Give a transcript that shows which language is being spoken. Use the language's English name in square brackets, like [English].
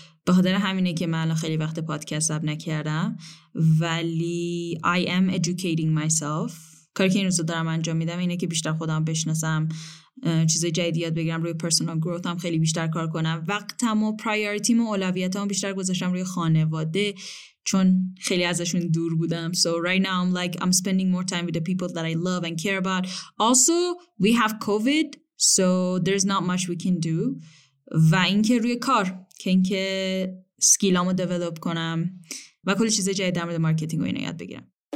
[Persian] به خاطر همینه که من خیلی وقت پادکست ضبط نکردم، ولی [English] I am educating myself. [Persian] کاری که این روزا دارم انجام میدم اینه که بیشتر خودم بشناسم، چیزای جدید یاد بگیرم، روی پرسونال گروث هم خیلی بیشتر کار کنم. وقتم و پرایوریتیم و اولویتام بیشتر گذاشتم روی خانواده چون خیلی ازشون دور بودم. [English] So right now I'm like I'm spending more time with the people that I love and care about. Also we have COVID, so there's not much we can do. [Persian] و اینکه روی کار که اینکه سکیلامو دیولپ کنم و کل چیزای جدید در مورد مارکتینگ و اینا یاد بگیرم.